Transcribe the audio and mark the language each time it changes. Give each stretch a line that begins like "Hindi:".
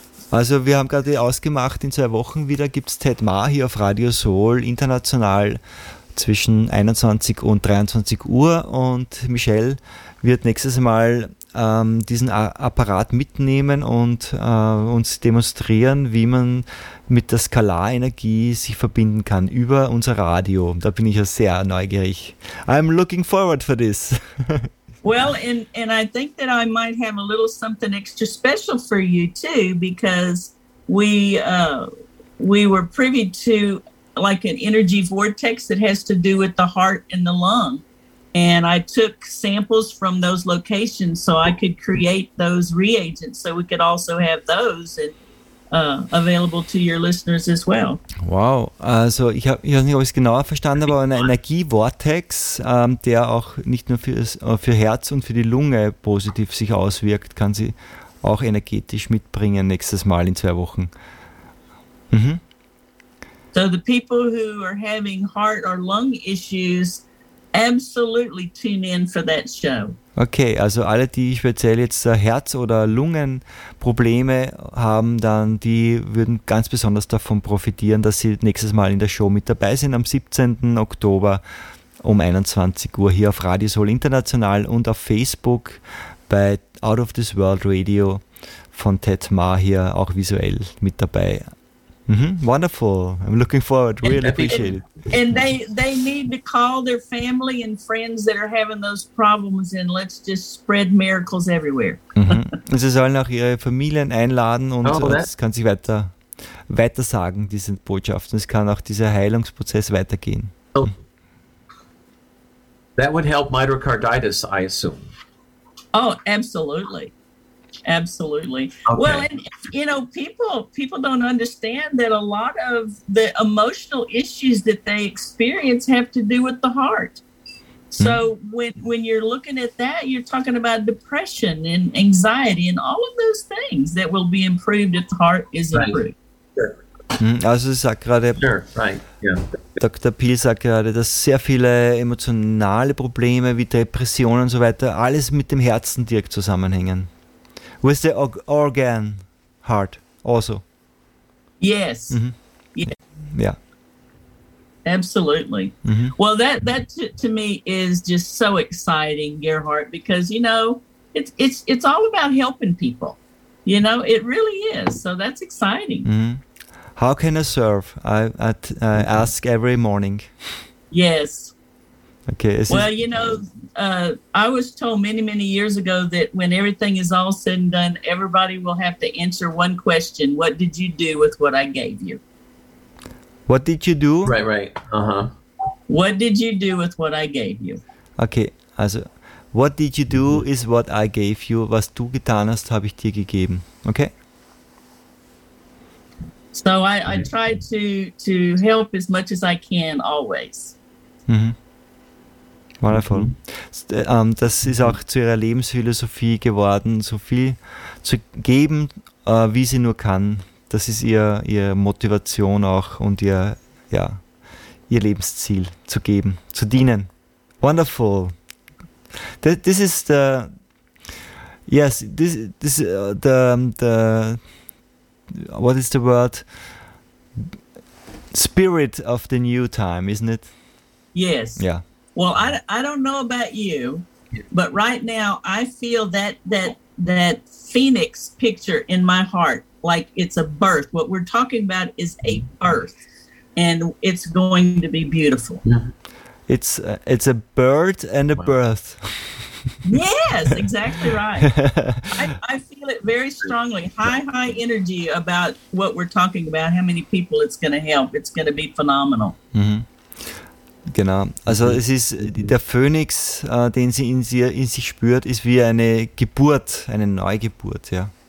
German: Also wir haben gerade ausgemacht, in 2 Wochen wieder gibt es Ted Mar hier auf Radio Soul international zwischen 21 und 23 Uhr und Michelle wird nächstes Mal diesen Apparat mitnehmen und uns demonstrieren, wie man mit der Skalarenergie sich verbinden kann über unser Radio. Da bin ich ja sehr neugierig.
English: I'm looking forward for this. Well, and I think that I might have a little something extra special for you too, because we were privy to like an energy vortex that has to do with the heart and the lung. And I took samples from those locations so I could create those reagents so we could also have those available to your listeners as well.
German: Wow, also ich weiß nicht, ob ich es genauer verstanden habe, aber ein Energievortex, der auch nicht nur für Herz und für die Lunge positiv sich auswirkt, kann sie auch energetisch mitbringen nächstes Mal in 2 Wochen. Mhm.
English: So the people who are having heart or lung issues, absolutely tune in for that show.
German: Okay, also alle, die speziell jetzt Herz- oder Lungenprobleme haben, dann die würden ganz besonders davon profitieren, dass sie nächstes Mal in der Show mit dabei sind am 17. Oktober um 21 Uhr hier auf Radio Soul International und auf Facebook bei Out of This World Radio von Ted Mar hier auch visuell mit dabei. Mm-hmm.
English: Wonderful. I'm looking forward. Really appreciate it. And they need to call their family and friends that are having those problems and let's just spread miracles everywhere. Mm-hmm.
German: Und sie sollen auch ihre Familien einladen und es kann sich weiter sagen, diese Botschaft. Und es kann auch dieser Heilungsprozess weitergehen.
English: Oh. That would help myocarditis, I assume. Oh, absolutely. Absolutely. Okay. Well, and you know, people don't understand that a lot of the emotional issues that they experience have to do with the heart. So when you're looking at that, you're talking about depression and anxiety and all of those things that will be improved if the heart is improved. Sure.
German: Also ich sag gerade, Dr. Peel sagt gerade, dass sehr viele emotionale Probleme wie Depressionen und so weiter alles mit dem Herzen direkt zusammenhängen.
English: With the organ heart also. Yes. Mm-hmm. Yeah. Absolutely. Mm-hmm. Well, that to me is just so exciting, Gerhard, because, you know, it's all about helping people. You know, it really is. So that's exciting. Mm-hmm. How can I serve? I ask every morning. Yes. Okay. Well, you know, I was told many, many years ago that when everything is all said and done, everybody will have to answer one question. What did you do with what I gave you? What did you do? Right, right. Uh-huh. What did you do with what I gave you? Okay. Also, what did you do is what I gave you.
German: Was du getan hast, habe ich dir gegeben.
English: Okay. So I try to help as much as I can always.
German: Mm-hmm. Wundervoll. Das ist auch zu ihrer Lebensphilosophie geworden, so viel zu geben, wie sie nur kann. Das ist ihre Motivation auch und ihr Lebensziel, zu geben, zu dienen. Wundervoll.
English: This is the... Yes, this is the... What is the word? spirit of the new time, isn't it? Yes. Yeah. Well, I don't know about you, but right now I feel that phoenix picture in my heart, like it's a birth. What we're talking about is a birth, and it's going to be beautiful. It's a birth and a birth. Yes, exactly right. I feel it very strongly. High energy about what we're talking about, how many people it's going to help. It's going to be phenomenal. Mm-hmm.
German: Genau, also es ist der Phönix, den sie in sich spürt, ist wie eine Geburt, eine Neugeburt, ja.